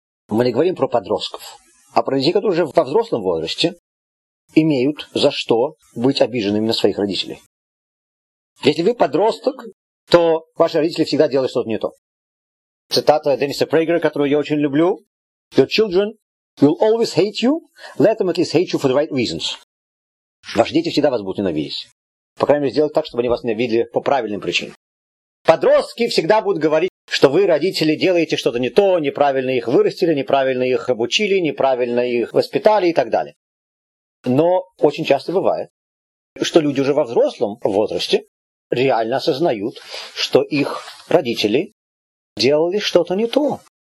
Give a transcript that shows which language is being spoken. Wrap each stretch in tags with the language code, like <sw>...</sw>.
<ru>Мы не говорим про подростков, а про детей, которые уже во взрослом возрасте имеют за что быть обиженными на своих родителей. Если вы подросток, то ваши родители всегда делают что-то не то. Цитата Денниса Прейгера, которую я очень люблю.</ru> <en>Your children will always hate you. Let them at least hate you for the right reasons.</en> <ru>Ваши дети всегда вас будут ненавидеть. По крайней мере, сделать так, чтобы они вас ненавидели по правильным причинам. Подростки всегда будут говорить, что вы, родители, делаете что-то не то, неправильно их вырастили, неправильно их обучили, неправильно их воспитали и так далее. Но очень часто бывает, что люди уже во взрослом возрасте реально осознают, что их родители делали что-то не то.</ru>